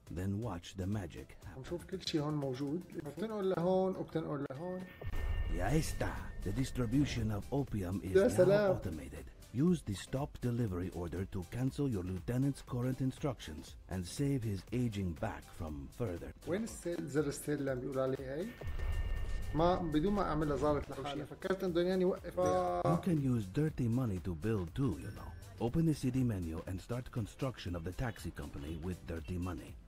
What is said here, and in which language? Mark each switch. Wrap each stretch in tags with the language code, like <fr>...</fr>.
<en>Then watch the magic happen.</en> <ar>نشوف كل شيء هون موجود. بتنقل لهون وبتنقل لهون. Ya está.</ar> <en>The distribution of opium is now automated. Use the stop delivery order to cancel your lieutenant's current instructions and save his aging back from further.</en> <ar>وين السيل زر السيل اللي بيقول عليه هاي؟ ما بدون ما اعملها ظهرت لحالها، فكرت انه يعني وقف.</ar> <en>You can use dirty money to build too, you know. Open the CD menu and start construction of the taxi company with dirty money.</en>